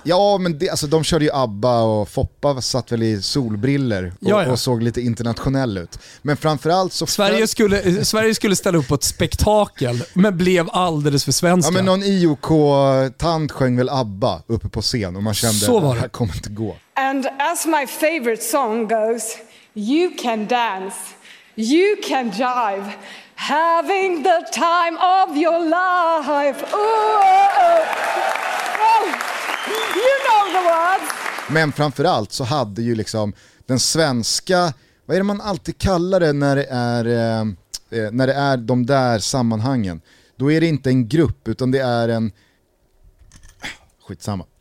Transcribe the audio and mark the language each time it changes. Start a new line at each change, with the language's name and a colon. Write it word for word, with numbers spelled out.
Swedish: Ja, men det, alltså, de körde ju ABBA och Foppa satt väl i solbriller och, ja, ja. och såg lite internationell ut. Men framförallt så... Sverige skulle, Sverige skulle ställa upp på ett spektakel men blev alldeles för svenska. Ja, men någon I O K-tant sjöng väl ABBA uppe på scen och man kände att det här kommer inte gå.
English: And as my favorite song goes, you can dance, you can jive, having the time of your life. Ooh, oh, oh. You know the words.
Swedish: Men framförallt så hade ju liksom den svenska, vad är det man alltid kallar det när det är, eh, när det är de där sammanhangen? Då är det inte en grupp utan det är en... Skitsamma.